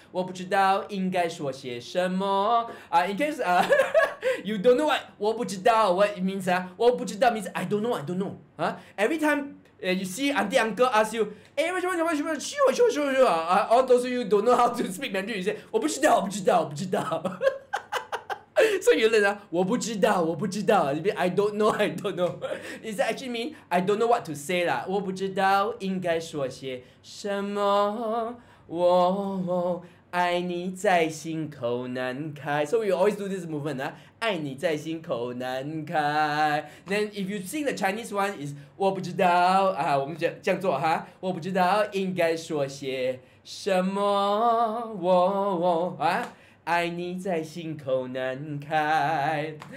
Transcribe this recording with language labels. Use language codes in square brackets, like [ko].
[zh] 我不知道应该说些什么。 [en] In case you don't know what 我不知道 what it means, 我不知道 means I don't know, I don't know. Every time you see auntie uncle ask you, hey, 为什么 all those of you don't know how to speak Mandarin, you say 我不知道 So you learn, 我不知道, I don't know, I don't know. Is that actually mean, I don't know what to say lah. [zh] 我不知道应该说些什么, 我爱你在心口难开. [en] So we always do this movement, [zh] 爱你在心口难开. [en] Then if you sing the Chinese one, is [zh] 我不知道, 我们这样做, 我不知道应该说些什么, 我, 爱你在心口难开。